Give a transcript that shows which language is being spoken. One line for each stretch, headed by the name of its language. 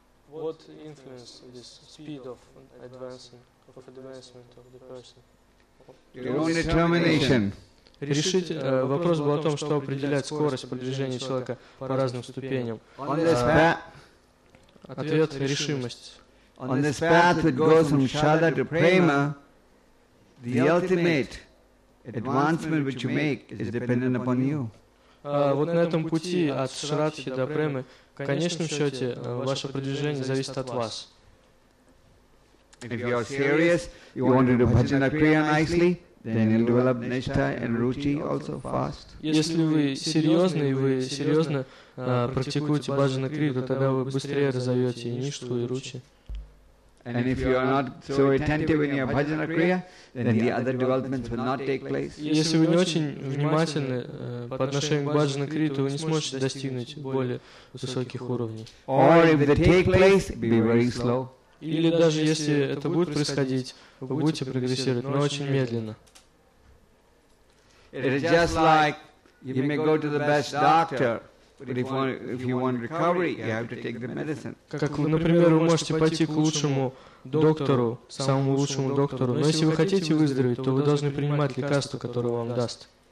English: What influence this speed of advancing, of advancement of the person? Your own determination.
Russian: Решить вопрос был о том, что определяет скорость продвижения человека по разным ступеням. Ответ – решимость.
English: On this path that goes from Shraddha to Prema, the ultimate advancement which you make is dependent upon you.
Russian: Вот на этом пути от Шраддхи до Премы, в конечном счете, ваше продвижение зависит от вас.
English: If you are serious, you want to do bhajana kriya nicely, then you'll develop nishtha and ruchi also fast.
Russian: Если вы серьезны и вы серьезно практикуете баджана крию, то тогда вы быстрее разовьете и ништу, и ручи.
English: And if you are not so attentive in your bhajana kriya, then the other developments will not take place.
Russian: Если вы не очень внимательны по отношению к баджана крии, то вы не сможете достигнуть более высоких уровней.
English: Or if they take place, be very slow.
Russian: Или даже если это будет происходить, вы будете прогрессировать, но очень медленно.
English: It is just like you may go to the best doctor, but if you want recovery, you have to take the medicine.
Russian: Как, например, вы можете пойти к лучшему доктору, самому лучшему доктору, но если вы хотите выздороветь, то вы должны принимать лекарство, которое вам даст.